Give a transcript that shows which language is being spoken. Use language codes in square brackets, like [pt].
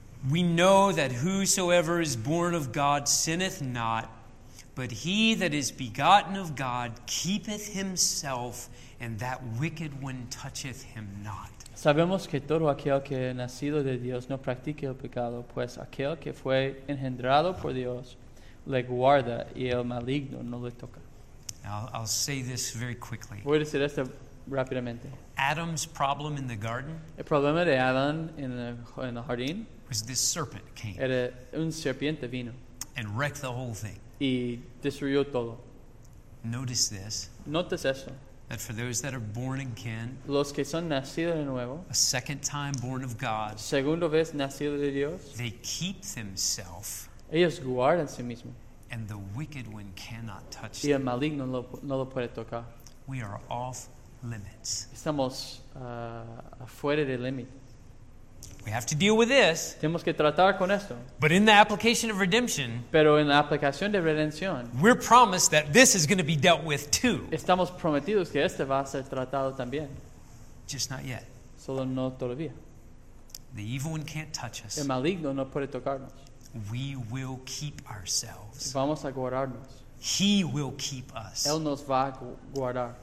[en] We know that whosoever is born of God sinneth not, but he that is begotten of God keepeth himself, and that wicked one toucheth him not. [es] Sabemos que todo aquel que es nacido de Dios no practica el pecado, pues aquel que fue engendrado por Dios le guarda y el maligno no le toca. [en] I'll say this very quickly. [es] Voy a decir esto rápidamente. [en] Adam's problem in the garden. [es] El problema de Adán en el jardín. [en] Was this serpent came. [es] Era un serpiente vino. [en] And wrecked the whole thing. [es] Y destruyó todo. [en] Notice this. [es] Notas esto. [en] That for those that are born again. [es] Los que son nacidos de nuevo. [en] A second time born of God. [es] Segunda vez nacido de Dios. [en] They keep themselves. [es] Ellos guardan sí mismos. [en] And the wicked one cannot touch [es] them. Y el maligno no lo puede tocar. [en] We are off limits. [es] Estamos afuera del límite. [en] We have to deal with this. [es] Tenemos que tratar con esto. [en] But in the application of redemption, [es] pero en la aplicación de redención, [en] we're promised that this is going to be dealt with too. [es] Estamos prometidos que este va a ser tratado también. [en] Just not yet. [es] Solo no todavía. [en] The evil one can't touch us. [es] El maligno no puede tocarnos. [en] We will keep ourselves. [es] Vamos a guardarnos. [en] He will keep us. [es] Él nos va a guardar.